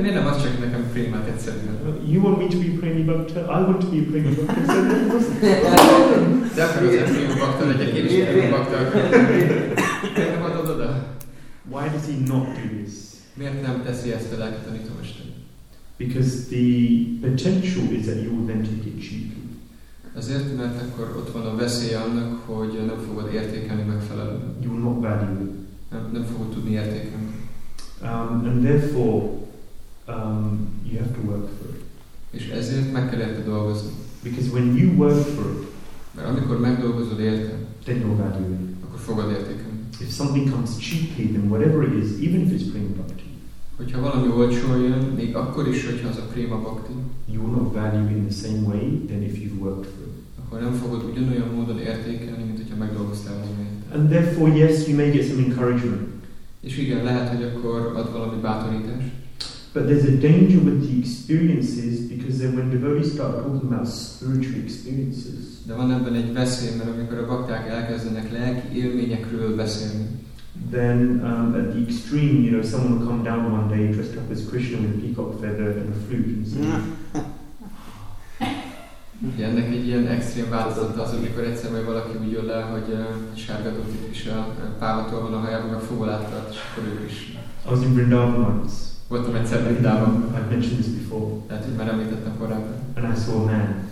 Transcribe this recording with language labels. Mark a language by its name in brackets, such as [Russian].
[Hungarian] Miért nem adsz csak nekem prémát egyszerűen? [English] You want me to be prémi bakta? I want to be a prémi bakta. [Hungarian] De akkor az egy prémi bakta legyek, én is prémi bakta akarok. Nem adod oda? [English] Why does he not do this? [Hungarian] Miért nem teszi ezt a lelki tanítómester? [English] Because the potential is that you will then take it cheaply. [Hungarian] Azért, mert akkor ott van a veszély annak, hogy nem fogod értékelni megfelelően. [English] You will not value it. [Hungarian] Nem fogod tudni értékelni. [English] And therefore, you have to work for it. [Hungarian] És ezért meg kell érte dolgozni. [English] Because when you work for it, [Hungarian] mert amikor megdolgozod érte, [English] then you will value it. [Hungarian] Akkor fogod értékelni. [English] If something comes cheaply, then whatever it is, even if it's prima bhakti. [Hungarian] Hogyha valami olcsón jön, még akkor is, hogyha az a prima bhakti. [English] You will not value in the same way than if you've worked for it. [Hungarian] Akkor nem fogod ugyanolyan módon értékelni, mint hogyha megdolgoztál valamit. [English] And therefore, yes, you may get some encouragement. [Hungarian] És igen, lehet, hogy akkor ad valami bátorítást. [English] But there's a danger with the experiences, because then when devotees start talking about spiritual experiences. [Hungarian] De van ebben egy veszély, mert amikor a bakták elkezdenek lelki élményekről beszélni. [English] Then at the extreme, you know, someone will come down one day dressed up as Krishna with a peacock feather and a flute and say. [Hungarian] Ugye ennek egy ilyen extrém változata az, amikor egyszer majd valaki úgy jön le, hogy sárga dobtit is a pávától van a hajában, a fogolát tart, és akkor ő is. [English] I was in Vrindavan once. [Hungarian] Voltam egyszer Vrindavan. [English] I've mentioned this before. [Hungarian] Lehet, hogy már említettem korábban. [English] And I saw a man.